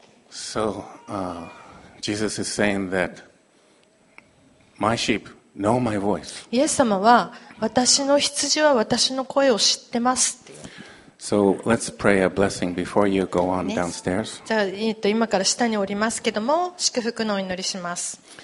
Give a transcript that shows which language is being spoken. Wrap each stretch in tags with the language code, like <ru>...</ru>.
<en>So, Jesus is saying that my sheep know my voice.</en> <ja>イエス様は私の羊は私の声を知ってますって。</ja> <en>So let's pray a blessing before you go on downstairs.</en> <ja>じゃあ今から下に降りますけども祝福のお祈りします。</ja>